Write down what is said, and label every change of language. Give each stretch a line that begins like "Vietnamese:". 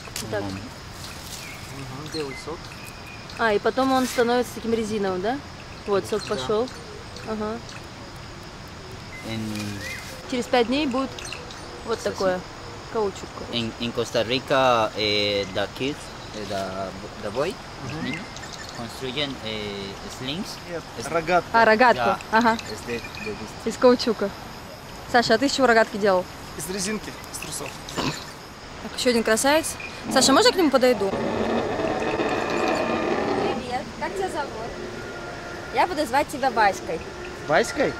Russian: Так. Белый сок. А, и потом он становится таким резиновым, да? Вот, сок пошел. Ага. Через 5 дней будет вот такое. Каучук.
English: In Costa Rica the kids, the boy, construction slings.
Russian: Рогатка. А, рогатку. Ага. Из каучука. Саша, а ты из чего рогатки делал? Из резинки, из трусов. Так, еще один красавец. Саша, можно к нему подойду? Привет, как тебя зовут? Я буду звать тебя Васькой. Васькой?